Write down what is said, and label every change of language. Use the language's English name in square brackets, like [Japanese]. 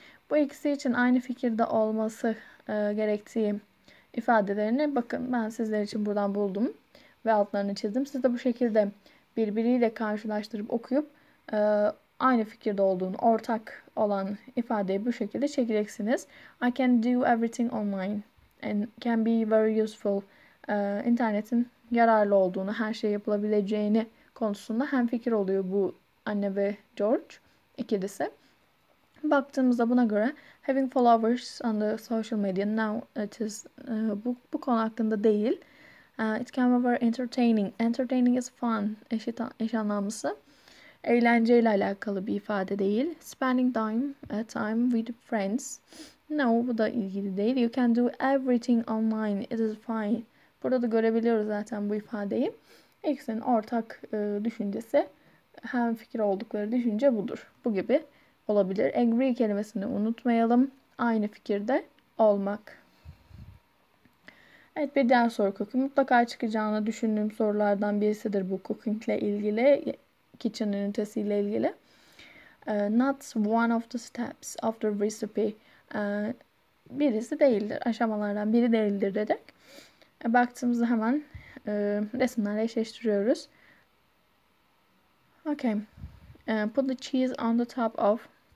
[Turkish] Bu ikisi için aynı fikirde olması gerektiği ifadelerini bakın ben sizler için buradan buldum ve altlarını çizdim. Siz de bu şekilde birbiriyle karşılaştırıp okuyup aynı fikirde olduğunu, ortak olan ifadeyi bu şekilde çekeceksiniz. [English] I can do everything online and can be very useful. [Turkish] İnternetin yararlı olduğunu, her şey yapılabileceğini konusunda hemfikir oluyor bu anne ve George ikilisi. Baktığımızda buna göre [English] having followers on the social media now it is [Turkish] bu konu hakkında değil. [English] It can be very entertaining. Entertaining is fun. [Turkish] Eş anlamlısı. Eğlenceyle alakalı bir ifade değil. [English] Spending time with friends. No, [Turkish] bu da ilgili değil. [English] You can do everything online. It is fine. [Turkish] Burada da görebiliyoruz zaten bu ifadeyi. İkisinin ortak düşüncesi, hem fikir oldukları düşünce budur. Bu gibi olabilir. Agree kelimesini unutmayalım. Aynı fikirde olmak. Evet, bir diğer soru cooking. Mutlaka çıkacağını düşündüğüm sorulardan birisidir bu cooking ile ilgili, kitchen ünitesiyle ilgili. [English] Not one of the steps of the recipe. [Turkish] Birisi değildir. Aşamalardan biri değildir dedik. Baktığımızda hemen resimlerle eşleştiriyoruz. [English] Okay. Put the cheese on the top of.